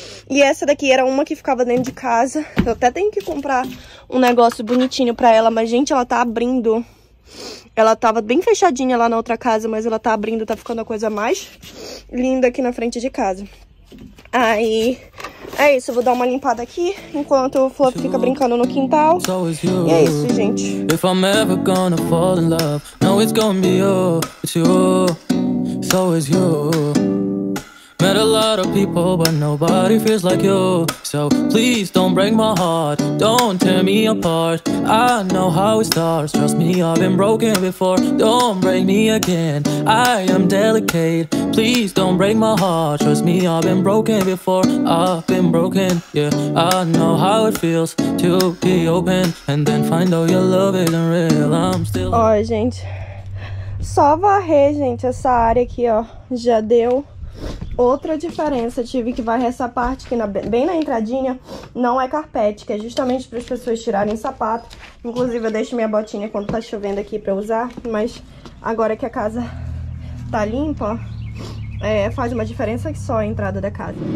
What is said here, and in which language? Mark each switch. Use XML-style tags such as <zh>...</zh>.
<pt>E essa daqui era uma que ficava dentro de casa. Eu até tenho que comprar um negócio bonitinho pra ela, mas, gente, ela tá abrindo. Ela tava bem fechadinha lá na outra casa, mas ela tá abrindo, tá ficando a coisa mais linda aqui na frente de casa. Aí, é isso, eu vou dar uma limpada aqui enquanto o Fluffy fica brincando no quintal. E é isso, gente.</pt> <en>If I'm ever gonna fall in love, now it's gonna be you. It's you, it's always you. Met a lot of people, but nobody feels like you. So please don't break my heart, don't tear me apart. I know how it starts, trust me, I've been broken before. Don't break me again, I am delicate. Please don't break my heart, trust me, I've been broken before. I've been broken, yeah. I know how it feels to be open and then find out your love isn't real. I'm still...</en> <pt>Ó, gente, só varrer, gente, essa área aqui, ó, já deu outra diferença. Tive que varrer essa parte aqui, bem na entradinha. Não é carpete, que é justamente para as pessoas tirarem sapato. Inclusive, eu deixo minha botinha quando tá chovendo aqui para usar. Mas agora que a casa tá limpa, é, faz uma diferença que só a entrada da casa.</pt>